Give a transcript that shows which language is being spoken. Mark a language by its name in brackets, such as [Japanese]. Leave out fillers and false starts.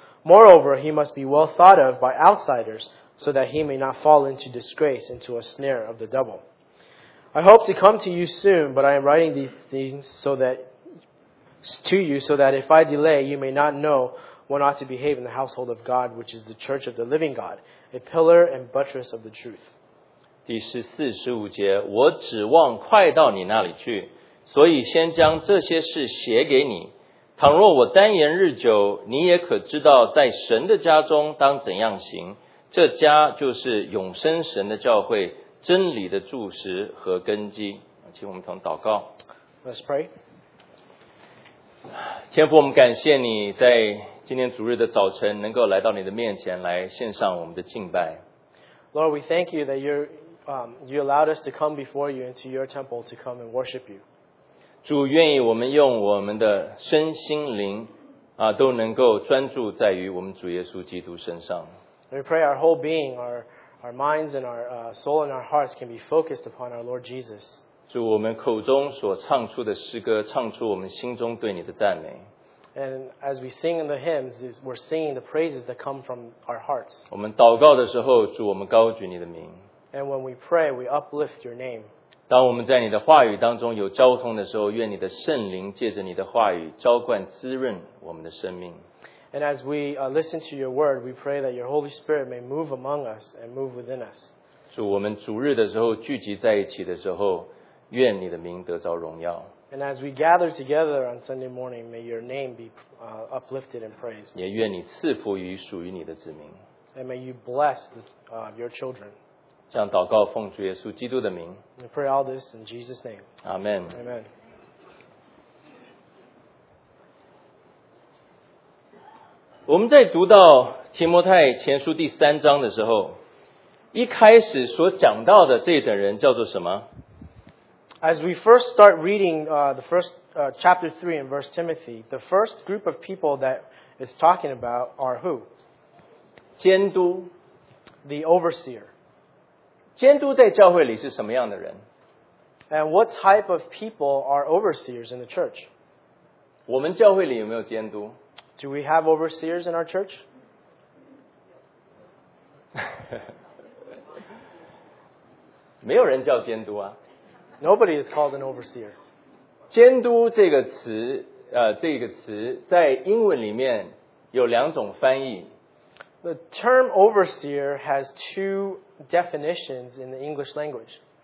[English] Moreover, he must be well thought of by outsiders,so that he may not fall into disgrace, into a snare of the devil. I hope to come to you soon, but I am writing these things so that if I delay, you may not know one ought to behave in the household of God, which is the church of the living God, a pillar and buttress of the truth. [Chinese] 第十四、十五节，我指望快到你那里去，所以先将这些事写给你。倘若我单言日久，你也可知道在神的家中当怎样行。这家就是永生神的教会，真理的柱石和根基。请我们同祷告。 [English] Let's pray. [Chinese] 天父，我们感谢你在今天主日的早晨能够来到你的面前来献上我们的敬拜。 [English] Lord, we thank you that you allowed us to come before you into your temple to come and worship you. [Chinese] 主，愿意我们用我们的身心灵都能够专注在于我们主耶稣基督身上。 [English] We pray our whole being, our minds and our soul and our hearts can be focused upon our Lord Jesus. [Chinese] 主，我们口中所唱出的诗歌，唱出我们心中对你的赞美。 [English] And as we sing in the hymns, we're singing the praises that come from our hearts. [Chinese] 我们祷告的时候，主，我们高举你的名。 [English] And when we pray, we uplift your name. [Chinese] 当我们在你的话语当中有交通的时候，愿你的圣灵借着你的话语浇灌滋润我们的生命。 [English] And as we listen to your word, we pray that your Holy Spirit may move among us and move within us. [Chinese] 主，我们主日的时候聚集在一起的时候，愿你的名得着荣耀。 [English] And as we gather together on Sunday morning, may your name be uplifted and praised. [Chinese] 也愿你赐福于属于你的子民。 [English] And may you bless your children. [Chinese] 这样祷告奉主耶稣基督的名。 [English] We pray all this in Jesus' name. Amen. Amen. [Chinese] 我们在读到提摩太前书第三章的时候，一开始所讲到的这等人叫做什么？ [English] As we first start reading the first chapter 3 in verse Timothy, the first group of people that it's talking about are who? [Chinese] 监督。 [English] The overseer. [Chinese] 监督在教会里是什么样的人？ [English] And what type of people are overseers in the church? [Chinese] 我们教会里有没有监督？ [English] Do we have overseers in our church? [Chinese] 没有人叫监督啊。 [English] Nobody is called an overseer. [Chinese] 监督这个词，这个词在英文里面有两种翻译。 [English] The term overseer has two definitions in the English language.